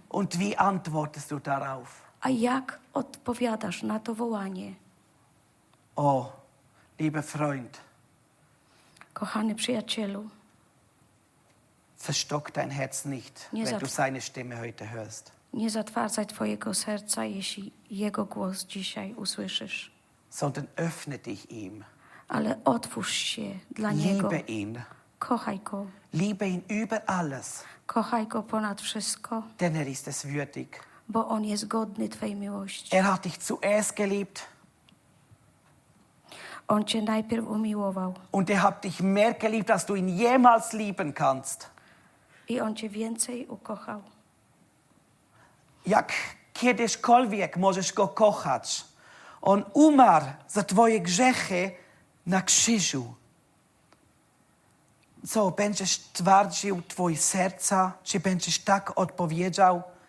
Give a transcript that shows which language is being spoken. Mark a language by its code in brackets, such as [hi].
[de] Und wie antwortest du darauf? [pl] A jak odpowiadasz na to wołanie? [de] O, lieber Freund. [pl] Kochany przyjacielu. [de] Verstock dein Herz nicht, [pl] nie [de] wenn du seine Stimme heute hörst. [pl] Nie zatwardzaj twojego serca, jeśli jego głos dzisiaj usłyszysz. [de] Sondern öffne dich ihm. [pl] Ale otwórz się dla [de] Liebe [pl] niego. [de] Ihn. [pl] Kochaj go. [de] Liebe ihn über alles. [pl] Kochaj go ponad wszystko. [de] Denn er ist es würdig. [pl] Bo on jest godny twojej miłości. [de] Er hat dich zuerst geliebt. [pl] On cię najpierw umiłował. [de] Und er hat dich mehr geliebt, als du ihn jemals lieben kannst. [pl] I on cię więcej ukochał. Jak kiedyśkolwiek możesz go kochać, on umarł za twoje grzechy na krzyżu. Co, będziesz twardził twoje serca? Czy będziesz tak odpowiedział?